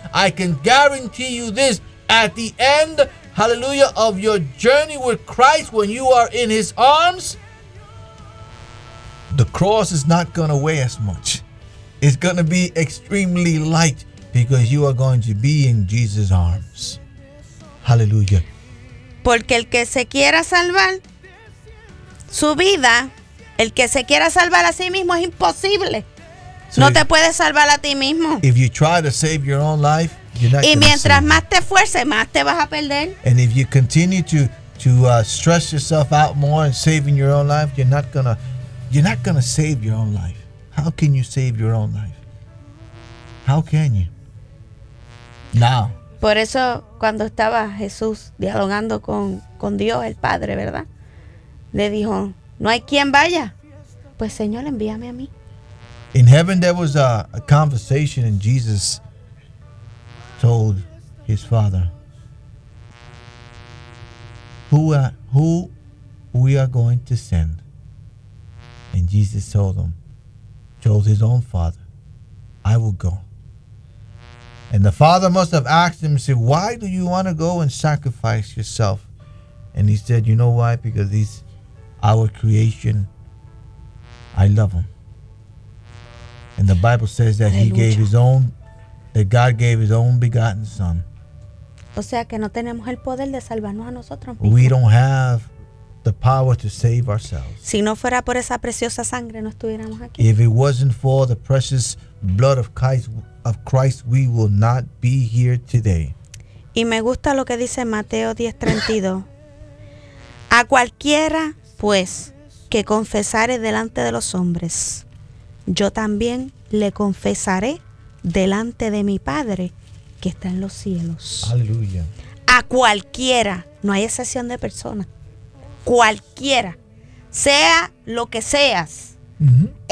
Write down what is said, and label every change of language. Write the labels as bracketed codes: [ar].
[en] I can guarantee you this, at the end, hallelujah, of your journey with Christ, when you are in his arms, the cross is not going to weigh as much. It's going to be extremely light because you are going to be in Jesus' arms. Hallelujah. [es] Porque el que se quiera salvar su vida, el que se quiera salvar a sí mismo, es imposible. So no te puedes salvar a ti mismo. [en] If you try to save your own life, you're not. [es] Y mientras más te esfuerces, más te vas a perder. [en] And if you continue to stress yourself out more and saving your own life, you're not gonna save your own life. How can you save your own life? How can you? Now. [es] Por eso cuando estaba Jesús dialogando con Dios el Padre, ¿verdad? Le dijo, no hay quien vaya. Pues Señor, envíame a mí. [en] In heaven there was a conversation and Jesus told his Father, who we are going to send. And Jesus told his own Father, I will go. And the Father must have asked him, said, why do you want to go and sacrifice yourself? And he said, you know why? Because he's our creation. I love him. And the Bible says that Hallelujah. He gave his own, that God gave his own begotten son. [es] O sea que no tenemos el poder de salvarnos a nosotros mismos. [en] We don't have the power to save ourselves. [es] Si no fuera por esa preciosa sangre, no estuviéramos aquí. [en] If it wasn't for the precious blood of Christ, we will not be here today. [es] Y me gusta lo que dice Mateo 10:32. A cualquiera, pues, que confesare delante de los hombres, yo también le confesaré delante de mi Padre que está en los cielos. Aleluya. A cualquiera, no hay excepción de persona. Cualquiera, sea lo que seas, uh-huh.